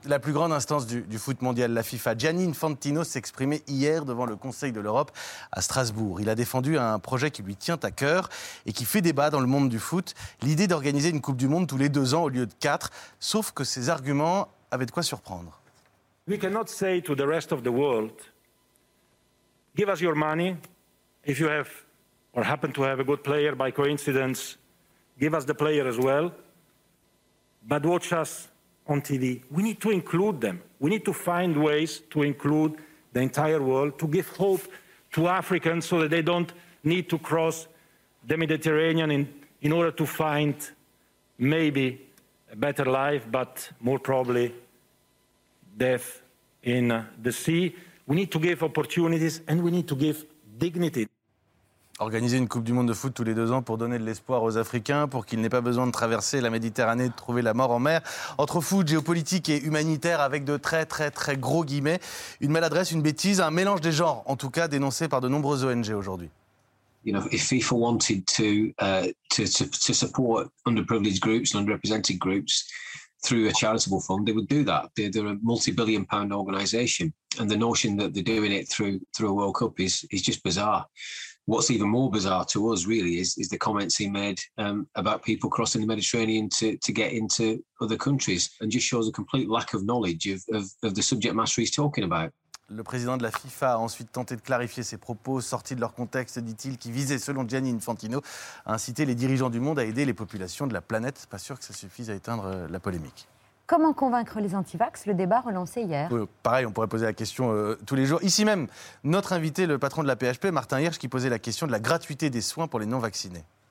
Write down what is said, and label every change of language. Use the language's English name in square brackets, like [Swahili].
[French] Oui, la plus grande instance du foot mondial, la FIFA. Gianni Infantino s'exprimait hier devant le Conseil de l'Europe à Strasbourg. Il a défendu un projet qui lui tient à cœur et qui fait débat dans le monde du foot. L'idée d'organiser une Coupe du Monde tous les 2 ans au lieu de 4, sauf que ses arguments avaient de quoi surprendre. [English] We cannot say to the rest of the world, give us your money if you have or happen to have a good player by coincidence, give us the player as well. But watch us on TV. We need to include them. We need to find ways to include the entire world, to give hope to Africans so that they don't need to cross the Mediterranean in order to find maybe a better life, but more probably death in the sea. We need to give opportunities and we need to give dignity. [French] Organiser une Coupe du Monde de foot tous les 2 ans pour donner de l'espoir aux Africains, pour qu'ils n'aient pas besoin de traverser la Méditerranée, de trouver la mort en mer. Entre foot, géopolitique et humanitaire, avec de très très très gros guillemets, une maladresse, une bêtise, un mélange des genres, en tout cas dénoncé par de nombreuses ONG aujourd'hui. [English] You know, if FIFA wanted to support underprivileged groups and underrepresented groups through a charitable fund, they would do that. They're a multi-billion pound organisation, and the notion that they're doing it through a World Cup is just bizarre. What's even more bizarre to us, really, is the comments he made about people crossing the Mediterranean to get into other countries, and just shows a complete lack of knowledge of the subject matter he's talking about. [French] Le président de la FIFA a ensuite tenté de clarifier ses propos, sortis de leur contexte, dit-il, qui visait, selon Gianni Infantino, à inciter les dirigeants du monde à aider les populations de la planète. Pas sûr que ça suffise à éteindre la polémique. Comment convaincre les antivax ? Le débat relancé hier. Pareil, on pourrait poser la question tous les jours. Ici même, notre invité, le patron de la PHP, Martin Hirsch, qui posait la question de la gratuité des soins pour les non-vaccinés.